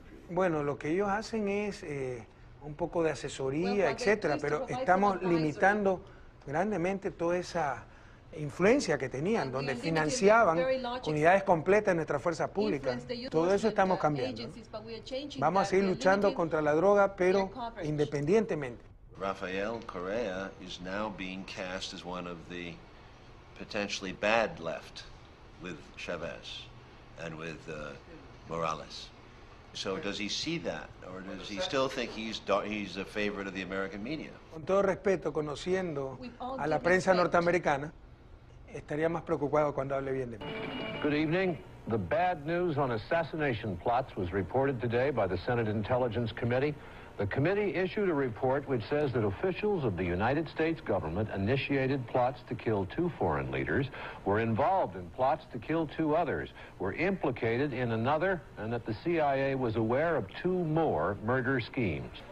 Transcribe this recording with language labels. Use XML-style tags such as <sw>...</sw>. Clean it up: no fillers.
<es>Bueno, lo que ellos hacen es un poco de asesoría, etcétera, pero estamos limitando grandemente toda esa influencia que tenían, donde financiaban unidades completas de nuestras fuerzas públicas. Todo eso estamos cambiando. Vamos a seguir luchando contra la droga, pero independientemente.</es> <en>Rafael Correa is now being cast as one of the potentially bad left with Chavez and with Morales. So does he see that, or does he still think he's a favorite of the American media?</en> <es>Con todo respeto, conociendo a la prensa norteamericana, estaría más preocupado cuando hable bien de mí.</es> <en>Good evening. The bad news on assassination plots was reported today by the Senate Intelligence Committee. The committee issued a report which says that officials of the United States government initiated plots to kill two foreign leaders, were involved in plots to kill two others, were implicated in another, and that the CIA was aware of two more murder schemes.</en>